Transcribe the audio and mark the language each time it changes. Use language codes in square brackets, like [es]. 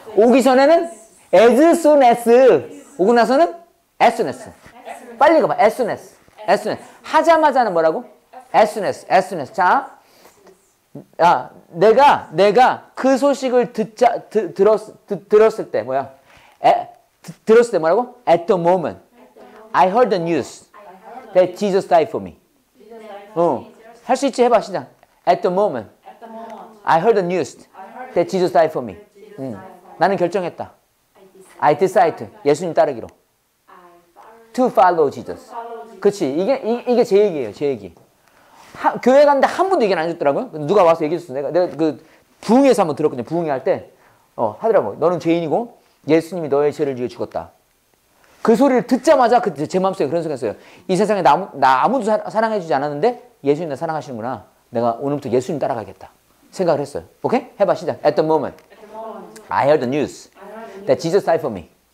[ko] 오기 전에는 [en] as soon as. [ko] 오고 나서는 [en] as soon as. [ko] 빨리 읽어봐, [en] as soon as. As soon as. [ko] 하자마자는 뭐라고? [en] As soon as. As soon as. 자. [ko] 야, 내가 그 소식을 들었을 때 뭐야? 들었을 때 뭐라고? [en] At the moment, I heard the news that Jesus died for me. [ko] 어, 할 수 있지? 해봐, 시작. [en] At the moment, I heard the news that Jesus died for me. [ko] 나는 결정했다. [en] I decided [ko] 예수님 따르기로. [en] To follow Jesus. [ko] 그치? 이게 제 얘기예요, 제 얘기. 교회 갔는데 한 분도 얘기 안 해줬더라고요. 누가 와서 얘기해줬어. 내가 그 부흥회에서 한번 들었거든요. 부흥회 할 때 하더라고. 너는 죄인이고 예수님이 너의 죄를 위해 죽었다. 그 소리를 듣자마자 그 제 마음속에 그런 생각 했어요. 이 세상에 나 아무도 사랑해 주지 않았는데 예수님 나 사랑하시는구나. 내가 오늘부터 예수님 따라가겠다 생각을 했어요. 오케이? 해봐, 시작. [en] At the moment, I heard the news that Jesus died for me.